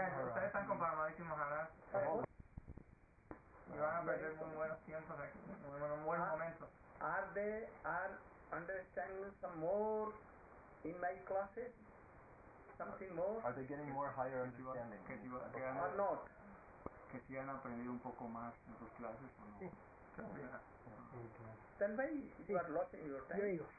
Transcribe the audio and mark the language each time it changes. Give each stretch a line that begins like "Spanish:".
English: Yes, are they understanding some more in my classes? Something more? Are they getting more higher understanding? Or not?
Spanish: Que si han aprendido un poco más en sus clases o no?
English: Then why you are lost in your time?